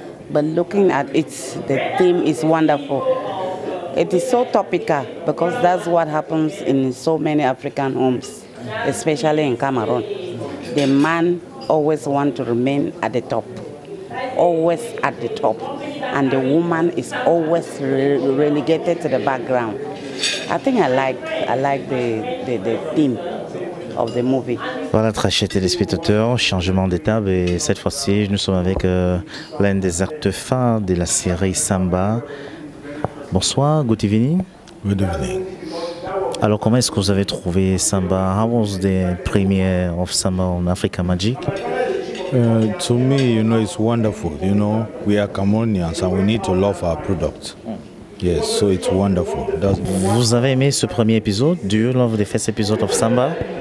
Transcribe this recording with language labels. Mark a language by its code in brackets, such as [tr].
[en] But looking at it, the theme is wonderful. It is so topical because that's what happens in so many African homes, especially in Cameroon. The man always wants to remain at the top, always at the top. And the woman is always relegated to the background. I think I like the theme of the movie. [fr] Voilà, très chers téléspectateurs, changement d'étape et cette fois-ci, nous sommes avec l'un des acteurs phares de la série Samba. Bonsoir, [en] good evening. Good evening. [fr] Alors, comment est-ce que vous avez trouvé Samba? [en] How was the premiere of Samba on Africa Magic? To me, you know, it's wonderful. You know, we are Cameroonians and we need to love our product. Yes, so it's wonderful. [fr] That's... Vous avez aimé ce premier épisode? [en] Do you love the first episode of Samba?